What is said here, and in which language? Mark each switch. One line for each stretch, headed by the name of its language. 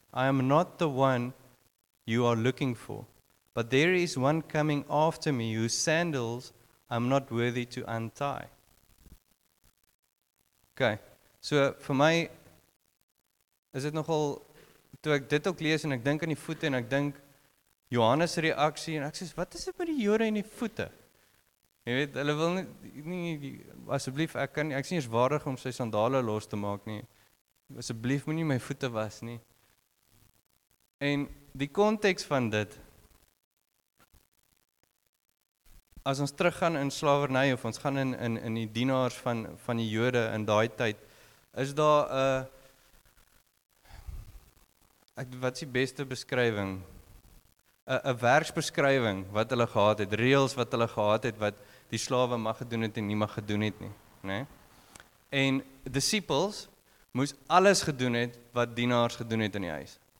English: I am not the one you are looking for, but there is one coming after me whose sandals I'm not worthy to untie.
Afrikaans: Okay, so vir my, is dit nogal, toe ek dit ook lees en ek dink aan die voete en ek dink Johannes reaksie en ek sê, wat is dit met die jore en die voete? Jy weet, hulle wil nie, asjeblief, ek kan nie, ek is nie eens waardig om sy sandale los te maak nie. Asjeblief, moet nie my voete was nie. En die context van dit, as ons teruggaan in slavernij of ons gaan in die dienaars van die jode in daai tyd, is daar wat is die beste beskrywing? Een werksbeskrywing wat hulle gehad het, reels wat hulle gehad het, wat die slawe mag gedoen het en nie mag gedoen het nie. Nee? En disciples moes alles gedoen het wat dienaars gedoen het in die huis.